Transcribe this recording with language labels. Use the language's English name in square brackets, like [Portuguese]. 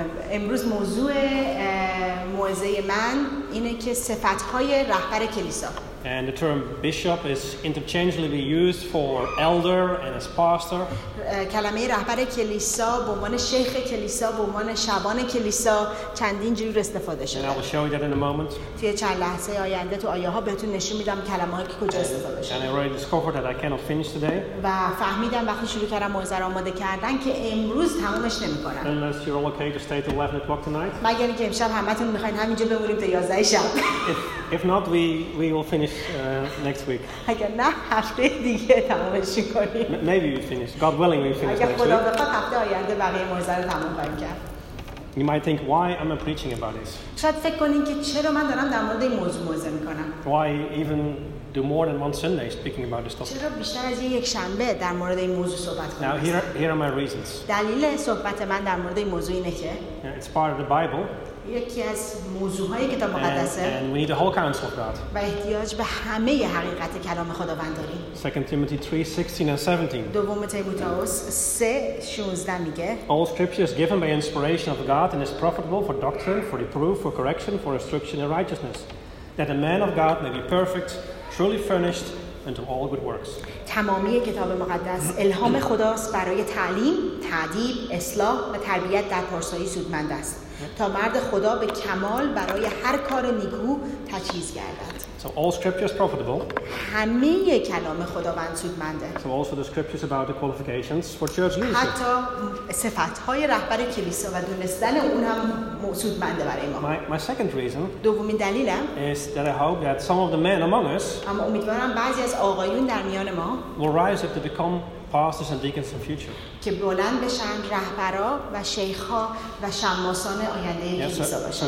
[Persian] امروز موضوع موعظه من اینه که صفات‌های رهبر کلیسا. [English] And the term bishop is interchangeably used for elder and as pastor. [Persian] کلمه رهبر کلیسا به عنوان شیخ کلیسا، به عنوان شبان کلیسا چندین جور استفاده شده. [English] And I will show you that in a moment. [Persian] توی چند لحظه آینده تو آیه‌ها بهتون نشون میدم کلمه‌ای که کجا استفاده شده. [English] And I already discovered that I cannot finish today. [Persian] و فهمیدم وقتی شروع کردم موعظه رو آماده کردن که امروز تمومش نمی‌کنم. [English] Unless you're all okay to stay till 11 o'clock tonight. [Persian] مگر اینکه امشب همتون می‌خواید همینجا بمونیم تا 11 شب. [English] If not, we will finish next week. [Persian] اگر نه هفته دیگه تمومش کنیم. [English] Maybe we finish. God willing, we finish next week. [Persian] اگر خدا بخواد هفته آینده بقیه موعظه رو تموم کنیم. [English] You might think, why am I preaching about this? [Persian] شاید فکر کنین که چرا من دارم در مورد این موضوع موعظه میکنم. [English] Why even do more than one Sunday speaking about this topic? [Persian] چرا بیشتر از یک شنبه در مورد این موضوع صحبت کنم؟ [English] Now here are my reasons. [Persian] دلیل صحبت من در مورد این موضوع اینه که [English] It's part of the Bible. [Persian] یکی از موضوعهای کتاب مقدسه [English] and we need a whole counsel of God. [Persian] و احتیاج به همه حقیقت کلام خداوند داریم. [English] 2 Timothy 3:16 and 17. [Persian] دوم تیموتائوس 3:16 میگه [English] All scripture is given by inspiration of God and is profitable for doctrine, for reproof, for correction, for instruction in righteousness, that a man of God may be perfect, truly furnished unto all good works. [Persian] تمامی کتاب مقدس الهام خداست برای تعلیم، تأدیب، اصلاح و تربیت در پارسایی سودمند است. تا مرد خدا به کمال برای هر کار نیکو تجهیز گردد. [English] So all scripture is profitable. [Persian] همه کلام خداوند سودمنده. [English] So also the scriptures about the qualifications for church leadership. [Persian] حتی صفات‌های رهبر کلیسا و دونستن اون هم سودمنده برای ما. [English] My second reason. [Persian] دومین دلیلم. [English] Is that I hope that some of the men among us. [Persian] اما امیدوارم بعضی از آقایون در میان ما. [English] Will rise up to become pastors and deacons in future. [Persian] که بلند بشن رهبرا و شیخ‌ها و شماسان آینده کلیسا باشن.